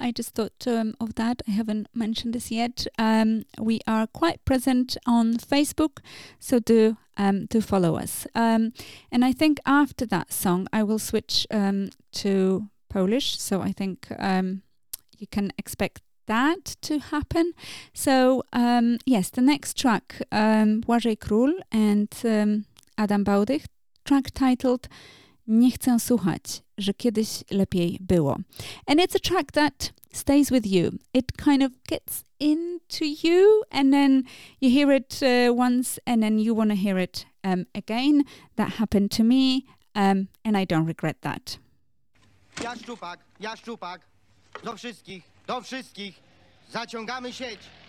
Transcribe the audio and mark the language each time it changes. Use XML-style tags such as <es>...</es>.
<en>I just thought of that. I haven't mentioned this yet. We are quite present on Facebook, so do follow us. And I think after that song, I will switch to Polish. So I think you can expect that to happen. So yes, the next track, Błażej Król and Adam Bałdych, track titled Nie chcę słuchać, że kiedyś lepiej było. And it's a track that stays with you. It kind of gets into you, and then you hear it once, and then you want to hear it again. That happened to me, and I don't regret that.</en> <pl>Ja szczupak, do wszystkich, zaciągamy sieć.</pl>